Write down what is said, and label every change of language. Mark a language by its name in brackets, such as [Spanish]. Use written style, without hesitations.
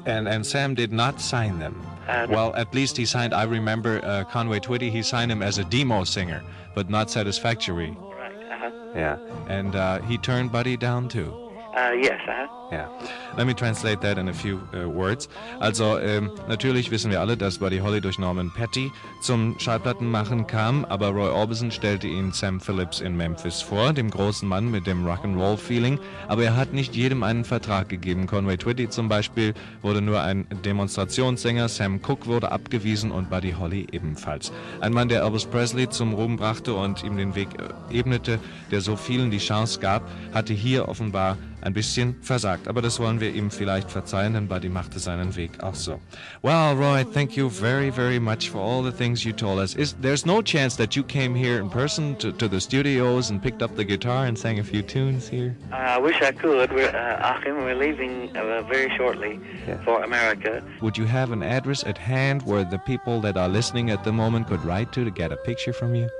[English] And Sam did not sign them. Well, at least he signed, I remember, Conway Twitty, he signed him as a demo singer, but not Satisfactory. Yeah. And he turned Buddy down too. Yes. Let me translate that in a few words. [German] Also, natürlich wissen wir alle, dass Buddy Holly durch Norman Petty zum Schallplattenmachen kam, aber Roy Orbison stellte ihn Sam Phillips in Memphis vor, dem großen Mann mit dem Rock'n'Roll-Feeling, aber er hat nicht jedem einen Vertrag gegeben. Conway Twitty zum Beispiel wurde nur ein Demonstrationssänger, Sam Cooke wurde abgewiesen und Buddy Holly ebenfalls. Ein Mann, der Elvis Presley zum Ruhm brachte und ihm den Weg ebnete, der so vielen die Chance gab, hatte hier offenbar ein bisschen versagt, aber das wollen wir ihm vielleicht verzeihen, denn Buddy machte seinen Weg auch so. [English] Well, Roy, thank you very, very much for all the things you told us. There's no chance that you came here in person to the studios and picked up the guitar and sang a few tunes here? I wish I could. We're leaving very shortly for America. Would you have an address at hand where the people that are listening at the moment could write to get a picture from you?